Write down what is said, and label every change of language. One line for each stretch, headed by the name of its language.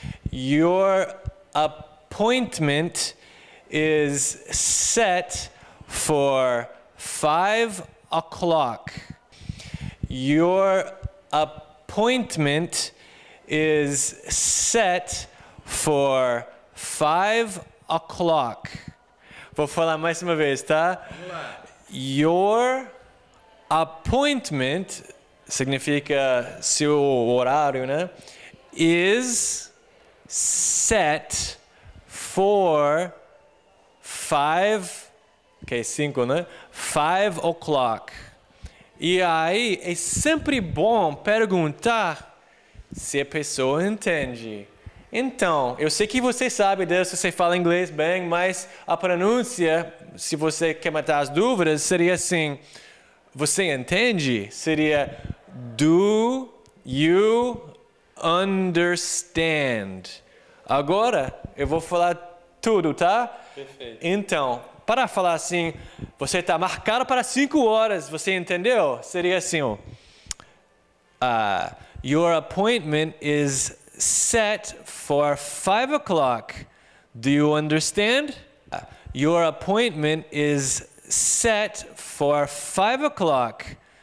English: Your appointment is set for 5 o'clock. Your appointment is set for 5 o'clock.
Portuguese: Vou falar mais uma vez, tá?
English: Your appointment
Portuguese: significa seu horário, né?
English: Is set for 5, né? 5 o'clock.
Portuguese: E aí, é sempre bom perguntar se a pessoa entende. Então, eu sei que você sabe disso, você fala inglês bem, mas a pronúncia, se você quer matar as dúvidas, seria assim, você entende? Seria,
English: Do you understand?
Portuguese: Agora eu vou falar tudo, tá? Perfeito. Então, para falar assim, você está marcado para 5 horas, você entendeu? Seria assim, ó.
English: Your appointment is set for 5 o'clock. Do you understand? Your appointment is set for 5 o'clock.